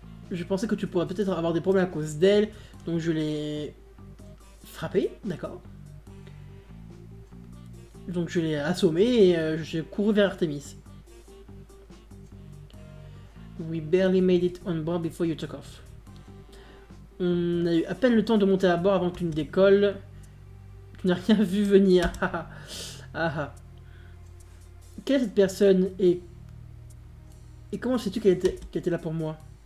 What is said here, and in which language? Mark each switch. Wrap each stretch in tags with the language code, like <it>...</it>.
<fr>Je pensais que tu pourrais peut-être avoir des problèmes à cause d'elle, donc je l'ai frappé, d'accord. Donc je l'ai assommé et j'ai couru vers Artemis.</fr> <en>We barely made it on board before you took off.</en> <fr>On a eu à peine le temps de monter à bord avant que tu ne décolles. Tu n'as rien vu venir. Quelle est cette personne et comment sais-tu qu'elle était là pour moi?</fr>